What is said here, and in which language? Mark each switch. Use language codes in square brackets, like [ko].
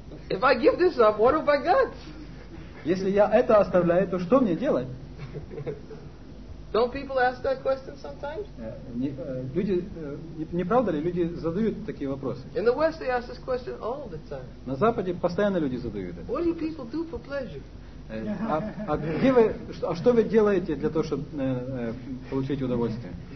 [en] If I give this up, what have I got? [ru] Если я это оставляю, то что мне делать? [en] Don't people ask that question sometimes? [ru] Не правда ли, люди задают такие вопросы? [en] In the West they ask this question all the time. [ru] На Западе постоянно люди задают это. [en] What do people do for pleasure? [ru] А что вы делаете для того, чтобы получить удовольствие?